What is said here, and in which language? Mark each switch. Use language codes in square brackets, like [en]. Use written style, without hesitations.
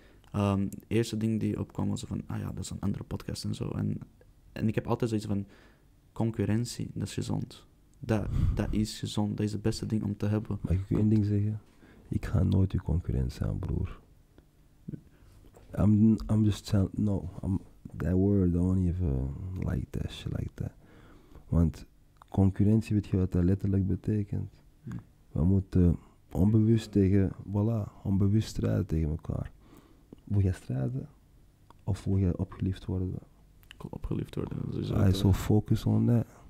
[nl] Het eerste ding die opkwam was van, ah ja, dat is een andere podcast en zo. En ik heb altijd zoiets van, concurrentie, dat is gezond. Dat is gezond. Dat is het beste ding om te hebben. Mag ik u één ding zeggen? Ik ga nooit uw concurrent zijn, broer. [en] I'm just telling... No, that word, don't even like that shit like that. [nl] Want concurrentie, weet je wat dat letterlijk betekent? We moeten onbewust tegen... Voilà, onbewust strijden tegen elkaar. Wil jij strijden? Of wil jij opgeliefd worden? Opgeliefd worden. Hij is zo [en] focus on that.